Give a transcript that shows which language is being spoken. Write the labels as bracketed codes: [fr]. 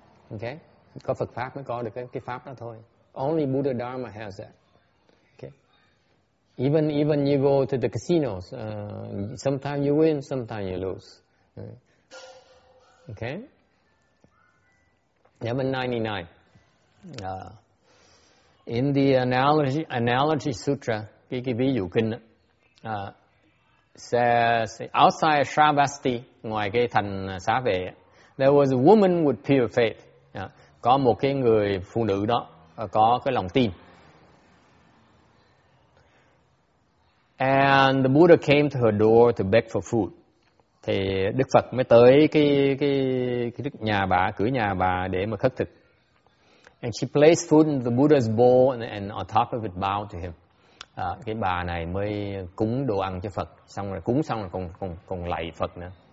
[vi] Okay, có Phật pháp mới có được cái pháp đó thôi. [en] Only Buddha Dharma has that. Okay, even you go to the casinos, sometimes you win, sometimes you lose. Okay. Number 99. In the analogy sutra, Kiki Viyu Kinh says, outside Shravasti, [vi] ngoài cái thành xá vệ, [en] there was a woman with pure faith. [vi] Có một cái người phụ nữ đó có cái lòng tin. [en] And the Buddha came to her door to beg for food. [vi] Thì Đức Phật mới tới cái nhà bà, cửa nhà bà để mà khất thực. [en] And she placed food in the Buddha's bowl and on top of it bowed to him. [vi] Cái bà này mới cúng đồ ăn cho Phật, xong rồi cúng xong rồi còn lạy Phật nữa.